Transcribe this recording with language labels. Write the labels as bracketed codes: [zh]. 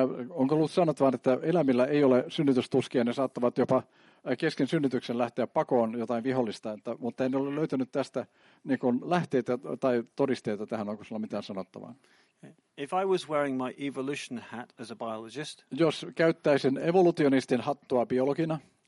[fi] Onko ollut sanottavaa, että eläimillä ei ole synnytystuskia, ne saattavat jopa kesken synnytyksen lähteä pakoon jotain vihollista, mutta en ole löytänyt tästä niin kuin lähteitä tai todisteita tähän, onko sulla mitään sanottavaa? [en] If I was wearing my evolution hat as a biologist, [fi] jos käyttäisin evolutionistin hattua biologina,